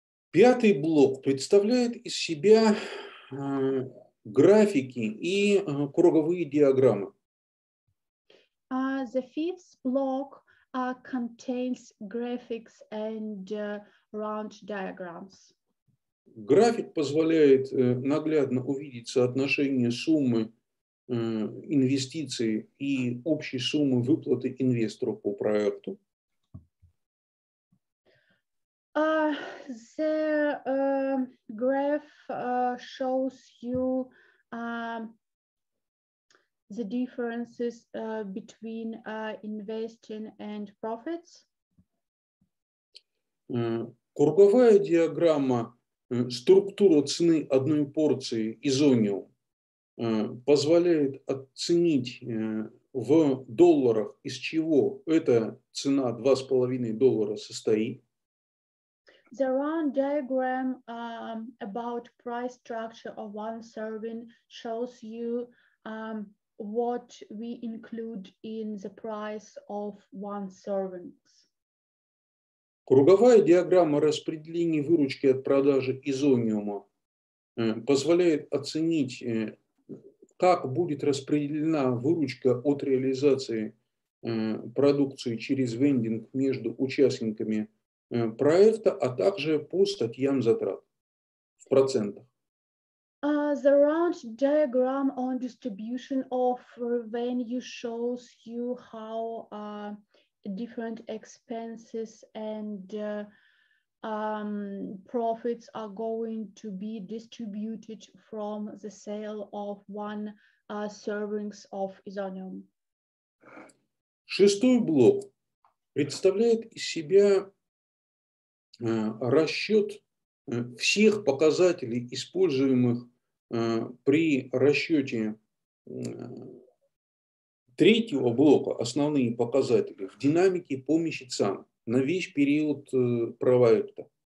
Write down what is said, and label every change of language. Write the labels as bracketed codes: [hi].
[ru] Пятый блок представляет из себя графики и круговые диаграммы. [en] The fifth block contains graphics and round diagrams. [ru] График позволяет наглядно увидеть соотношение суммы инвестиций и общей суммы выплаты инвестору по проекту. [en] The graph shows you the differences between investing and profits. [ru] Круговая диаграмма структура цены одной порции изонил позволяет оценить в долларах, из чего эта цена $2.5 состоит. [en] The round diagram about price structure of one serving shows you what we include in the price of one serving. [ru] Круговая диаграмма распределения выручки от продажи изониума позволяет оценить, как будет распределена выручка от реализации продукции через вендинг между участниками проекта, а также по статьям затрат в процентах. [en] The round diagram on distribution of revenue shows you how different expenses and profits are going to be distributed from the sale of one servings of Isonium. [ru] Шестой блок представляет из себя расчет всех показателей, используемых при расчете третьего блока, основные показатели, в динамике по месяцам на весь период проекта.